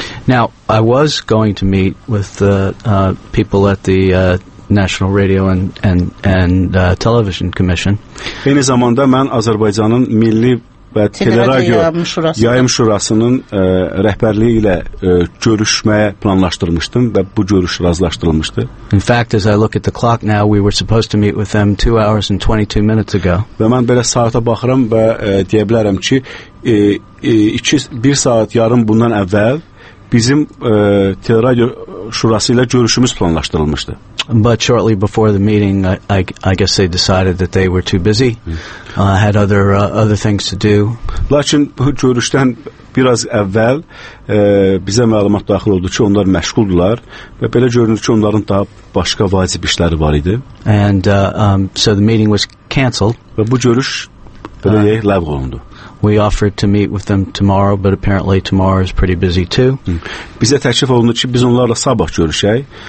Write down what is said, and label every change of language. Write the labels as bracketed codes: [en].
[en] Now, I was going to meet with the people at the National Radio and Television Commission. [az] Eyni zamanda mən Azərbaycanın Milli və Teleradio Yayım Şurasının rəhbərliyi ilə görüşməyə planlaşdırmışdım və bu görüş razılaşdırılmışdı. [en] In fact, as I look at the clock now, we were supposed to meet with them 2 hours and 22 minutes ago. [az] Və mən belə saata baxıram və deyə bilərəm ki, 1 saat yarım bundan əvvəl bizim Teleradio Şurası ilə görüşümüz planlaşdırılmışdı. [en] But shortly before the meeting, I guess they decided that they were too busy, had other things to do. [az] Lakin bu görüşdən biraz əvvəl bizə məlumat daxil oldu ki, onlar məşğuldular və belə görünür ki, onların daha başqa vacib işləri var idi. [en] And so the meeting was cancelled. [az] Və bu görüş belə deyək, ləğv olundu. [en] We offered to meet with them tomorrow, but apparently tomorrow is pretty busy too. [az] Bizə təklif olundu ki, biz onlarla sabah görüşək.